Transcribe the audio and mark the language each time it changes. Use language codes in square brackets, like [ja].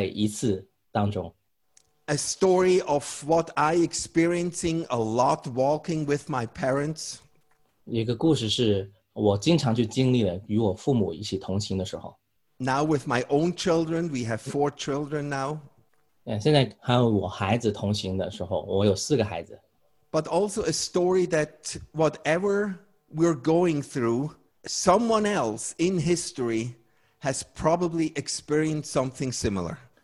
[zh] 你们可以得到两个故事在一次当中。A [en] story of what I experiencing a lot walking with my parents. [zh] 一个故事是我经常去经历了与我父母一起同行的时候。 [en] Now with my own children, we have four children now. [zh] 现在还有我孩子同行的时候，我有四个孩子。 [en] But also a story that whatever we're going through, someone else in history has probably experienced something similar.